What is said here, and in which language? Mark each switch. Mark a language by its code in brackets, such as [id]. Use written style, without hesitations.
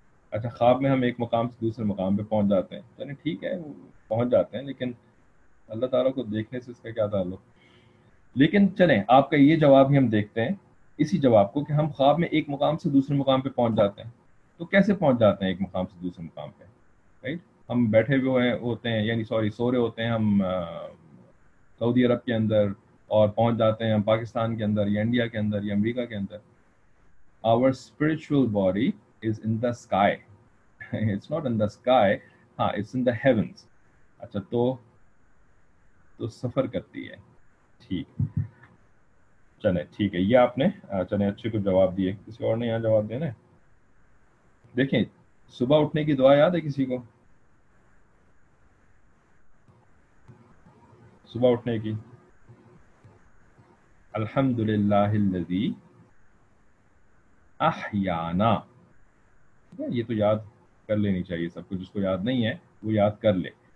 [ur] اچھا, خواب میں ہم ایک مقام سے دوسرے مقام پہ پہنچ جاتے ہیں, یعنی ٹھیک ہے پہنچ جاتے ہیں, لیکن اللہ تعالیٰ کو دیکھنے سے اس کا کیا تعلق؟ لیکن چلیں آپ کا یہ جواب ہی ہم دیکھتے ہیں, اسی جواب کو, کہ ہم خواب میں ایک مقام سے دوسرے مقام پہ پہنچ جاتے ہیں. تو کیسے پہنچ جاتے ہیں ایک مقام سے دوسرے مقام پہ؟ رائٹ, ہم بیٹھے ہوئے ہوتے ہیں, یعنی سوری سو رہے ہوتے ہیں ہم سعودی عرب کے اندر, اور پہنچ جاتے ہیں ہم پاکستان کے اندر یا انڈیا کے اندر یا امریکہ کے اندر. [en] Our spiritual body is in the sky, it's not in the sky, ہاں it's in the heavens. [ur] اچھا, تو سفر کرتی ہے. ٹھیک, چلیں ٹھیک ہے, یہ آپ نے چلیں اچھے کچھ جواب دیے. کسی اور نے یہاں جواب دینا ہے؟ دیکھیں, صبح اٹھنے کی دعا یاد ہے کسی کو؟ صبح اٹھنے کی [ar] الحمد للہ الذی احیانا, [ur] یہ تو یاد کر لینی چاہیے سب کو. جس کو یاد نہیں ہے وہ یاد کر لے.